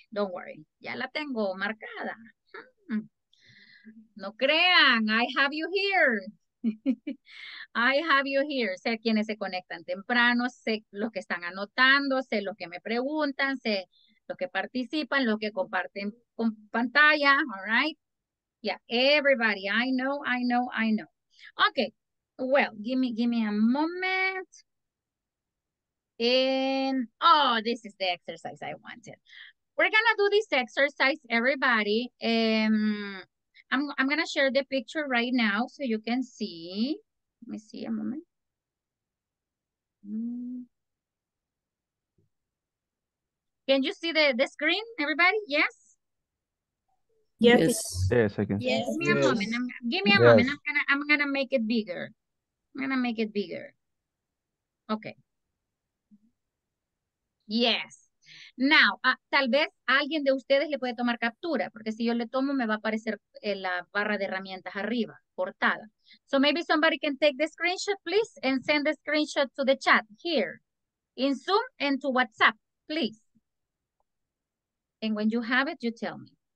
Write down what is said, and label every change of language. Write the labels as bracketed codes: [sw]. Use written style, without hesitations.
[en] Don't worry, [es] ya la tengo marcada. No crean, [en] I have you here. I have you here. [es] Sé quiénes se conectan temprano, sé los que están anotando, sé los que me preguntan, sé los que participan, los que comparten con pantalla, all right? [en] Yeah, everybody, I know, I know, I know. Okay. Well, give me a moment. And, oh, this is the exercise I wanted. We're going to do this exercise, everybody. I'm going to share the picture right now so you can see. Let me see a moment. Can you see the screen, everybody? Yes? Yes. Yes, I can. Yes. Give me a moment. Give me a moment. I'm gonna make it bigger. I'm gonna make it bigger. Okay. Yes. [es] Now, tal vez alguien de ustedes le puede tomar captura, porque si yo le tomo, me va a aparecer en la barra de herramientas arriba, portada. [en] So maybe somebody can take the screenshot, please, and send the screenshot to the chat here, in Zoom and to WhatsApp, please. And when you have it, you tell me.